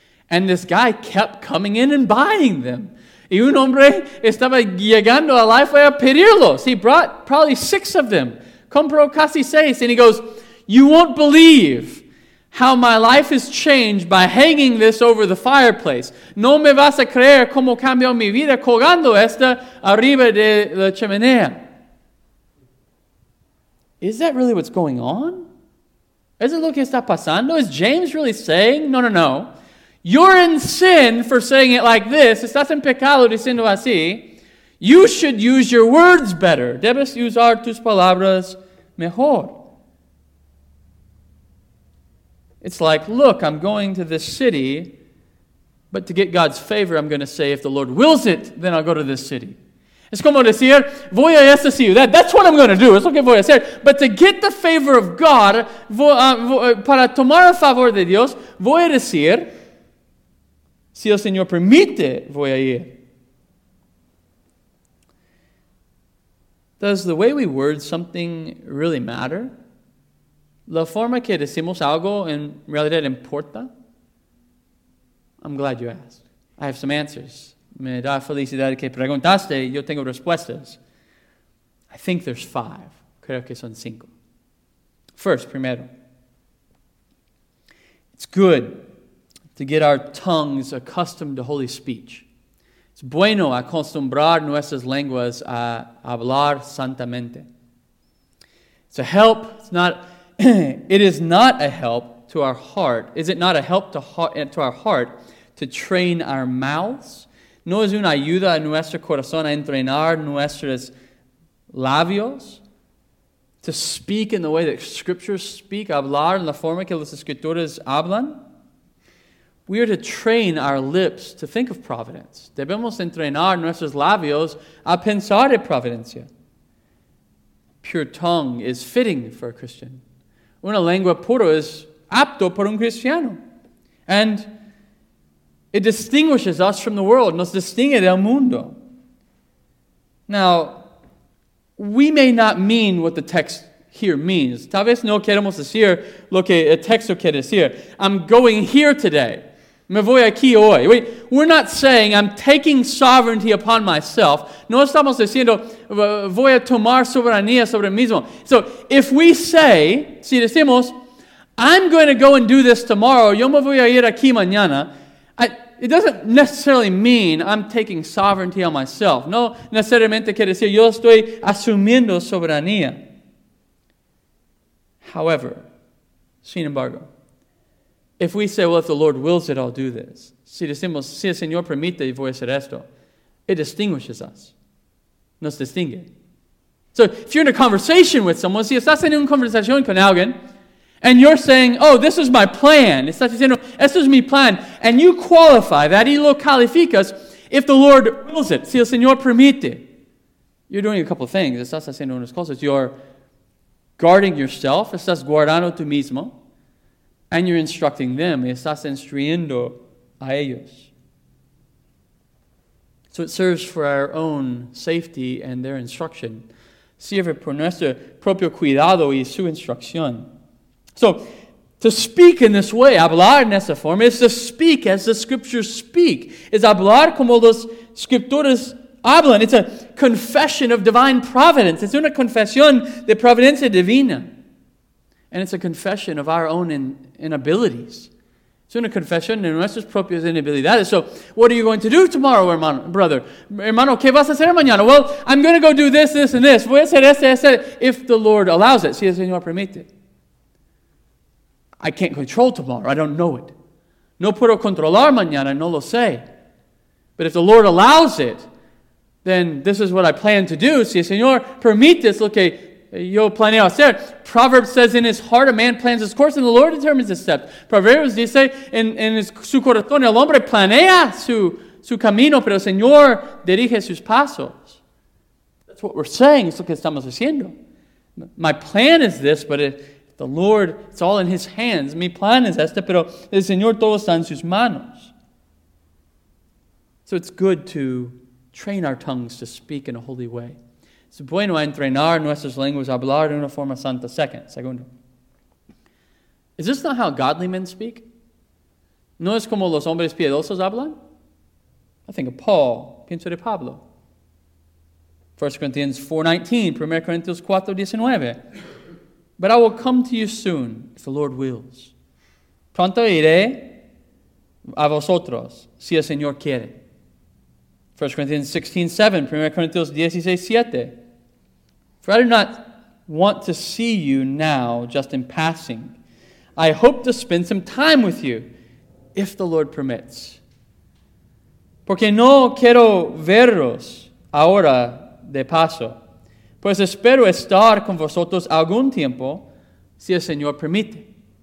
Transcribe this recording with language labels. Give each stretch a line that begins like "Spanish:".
English: And this guy kept coming in and buying them.
Spanish: Y un hombre estaba llegando a Lifeway a pedirlos.
English: He brought probably six of them.
Spanish: Compró casi seis.
English: And he goes, "You won't believe how my life has changed by hanging this over the fireplace.
Spanish: No me vas a creer cómo cambió mi vida colgando esta arriba de la chimenea."
English: Is that really what's going on? Is it
Spanish: lo que está pasando?
English: Is James really saying? No, no, no. You're in sin for saying it like this.
Spanish: Estás en pecado diciendo así.
English: You should use your words better.
Spanish: Debes usar tus palabras mejor.
English: It's like, look, I'm going to this city, but to get God's favor, I'm going to say, if the Lord wills it, then I'll go to this city.
Spanish: Es como decir, voy a esta ciudad.
English: That's what I'm going to do.
Spanish: Es lo que voy a hacer.
English: But to get the favor of God,
Spanish: para tomar el favor de Dios, voy a decir, si el Señor permite, voy a ir.
English: Does the way we word something really matter?
Spanish: La forma que decimos algo en realidad importa?
English: I'm glad you asked. I have some answers.
Spanish: Me da felicidad que preguntaste. Yo tengo respuestas.
English: I think there's five.
Spanish: Creo que son cinco.
English: First,
Spanish: primero.
English: It's good to get our tongues accustomed to holy speech.
Spanish: It's bueno acostumbrar nuestras lenguas a hablar santamente.
English: It's a help. It is not a help to our heart. Is it not a help to our heart to train our mouths?
Spanish: No es una ayuda a nuestro corazón a entrenar nuestros labios.
English: To speak in the way that scriptures speak,
Spanish: hablar en la forma que las escrituras hablan.
English: We are to train our lips to think of providence.
Spanish: Debemos entrenar nuestros labios a pensar de providencia.
English: Pure tongue is fitting for a Christian.
Spanish: Una lengua pura es apto por un cristiano.
English: And it distinguishes us from the world.
Spanish: Nos distingue del mundo.
English: Now, we may not mean what the text here means.
Spanish: Tal vez no queremos decir lo que el texto quiere decir.
English: I'm going here today.
Spanish: Me voy aquí hoy.
English: We're not saying I'm taking sovereignty upon myself.
Spanish: No estamos diciendo voy a tomar soberanía sobre mí mismo.
English: So if we say,
Spanish: si decimos,
English: I'm going to go and do this tomorrow,
Spanish: yo me voy a ir aquí mañana,
English: it doesn't necessarily mean I'm taking sovereignty on myself.
Spanish: No necesariamente quiere decir yo estoy asumiendo soberanía.
English: However,
Spanish: sin embargo,
English: if we say, well, if the Lord wills it, I'll do this.
Spanish: Si decimos, si el Señor permite, voy a hacer esto.
English: It distinguishes us.
Spanish: Nos distingue.
English: So if you're in a conversation with someone,
Spanish: si estás en una conversación con alguien,
English: and you're saying, oh, this is my plan.
Spanish: Estás diciendo, esto es mi plan.
English: And you qualify that,
Spanish: y lo calificas,
English: if the Lord wills it,
Spanish: si el Señor permite.
English: You're doing a couple of things.
Spanish: Estás haciendo unas cosas.
English: You're guarding yourself.
Spanish: Estás guardando tú mismo.
English: And you're instructing them.
Spanish: Estás instruyendo a ellos.
English: So it serves for our own safety and their instruction.
Spanish: Sirve por nuestro propio cuidado y su instrucción.
English: So, to speak in this way,
Spanish: hablar en esta forma,
English: is to speak as the scriptures speak.
Spanish: Es hablar como los escrituras hablan.
English: It's a confession of divine providence.
Spanish: It's una confesión de providencia divina.
English: And it's a confession of our own inabilities.
Spanish: It's una confesión de nuestras propias inabilidades.
English: So, what are you going to do tomorrow, hermano, brother?
Spanish: Hermano, ¿qué vas a hacer mañana?
English: Well, I'm going to go do this, this, and this.
Spanish: Voy a hacer este, este,
English: if the Lord allows it.
Spanish: Si el Señor permite.
English: I can't control tomorrow. I don't know it.
Spanish: No puedo controlar mañana. No lo sé.
English: But if the Lord allows it, then this is what I plan to do.
Spanish: Si el Señor permite, es lo que yo planeo hacer.
English: Proverbs says, in his heart a man plans his course, and the Lord determines his steps.
Spanish: Proverbs dice, en su corazón el hombre planea su camino, pero el Señor dirige sus pasos. That's
English: that's what we're saying.
Spanish: Es lo que estamos haciendo.
English: My plan is this, but if the Lord, it's all in His hands.
Spanish: Mi plan es este, pero el Señor todo está en sus manos.
English: So it's good to train our tongues to speak in a holy way.
Spanish: Es bueno entrenar nuestras lenguas a hablar de una forma santa. Segundo.
English: Is this not how godly men speak?
Spanish: ¿No es como los hombres piedosos hablan?
English: I think of Paul.
Spanish: Pienso de Pablo.
English: 1 Corinthians 4:19, 1 Corinthians 4:19. But I will come to you soon, if the Lord wills.
Spanish: Pronto iré a vosotros, si el Señor quiere.
English: 1 Corinthians 16:7, 1 Corinthians 16:7. For I do not want to see you now just in passing. I hope to spend some time with you, if the Lord permits.
Spanish: Porque no quiero veros ahora de paso. Pues espero estar con vosotros algún tiempo, si el Señor permite.